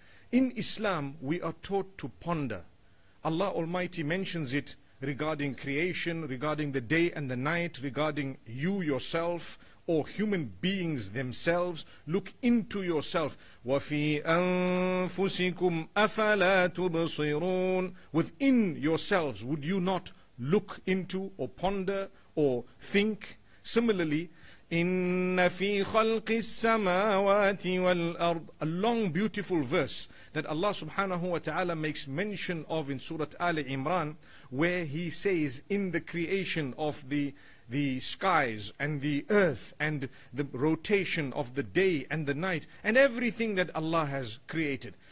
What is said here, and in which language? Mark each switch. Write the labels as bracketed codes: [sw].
[en] In Islam, we are taught to ponder. Allah Almighty mentions it regarding creation, regarding the day and the night, regarding you yourself or human beings themselves. Look into yourself. [ar] وَفِي أَنفُسِكُمْ أَفَلَا تُبْصِرُونَ. [en] Within yourselves, would you not look into or ponder or think? [ar] Similarly, إِنَّ فِي خَلْقِ السَّمَاوَاتِ وَالْأَرْضِ. [en] A long beautiful verse that Allah subhanahu wa ta'ala makes mention of in Surah Ali Imran, where He says, in the creation of the skies and the earth and the rotation of the day and the night and everything that Allah has created.